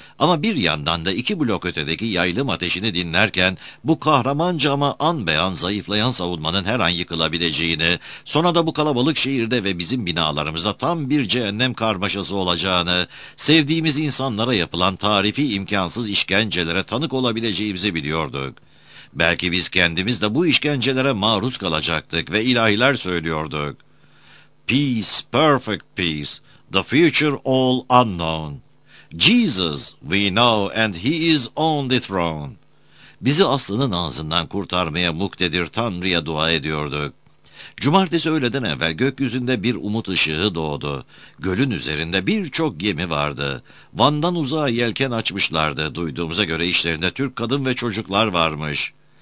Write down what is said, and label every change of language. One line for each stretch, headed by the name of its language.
Turkish: Ama bir yandan da iki blok ötedeki yaylım ateşini dinlerken bu kahramanca ama an beyan zayıflayan savunmanın her an yıkılabileceğini, sonra da bu kalabalık şehirde ve bizim binalarımızda tam bir cehennem karmaşası olacağını, sevdiğimiz insanlara yapılan tarifi imkansız işkencelere tanık olabileceğimizi biliyorduk. Belki biz kendimiz de bu işkencelere maruz kalacaktık ve ilahiler söylüyorduk.
English: Peace, perfect peace, the future all unknown. Jesus, we know and he is on the throne.
Turkish: Bizi aslının ağzından kurtarmaya muktedir Tanrı'ya dua ediyorduk. Cumartesi öğleden evvel gökyüzünde bir umut ışığı doğdu. Gölün üzerinde birçok gemi vardı. Van'dan uzağa yelken açmışlardı. Duyduğumuza göre işlerinde Türk kadın ve çocuklar varmış.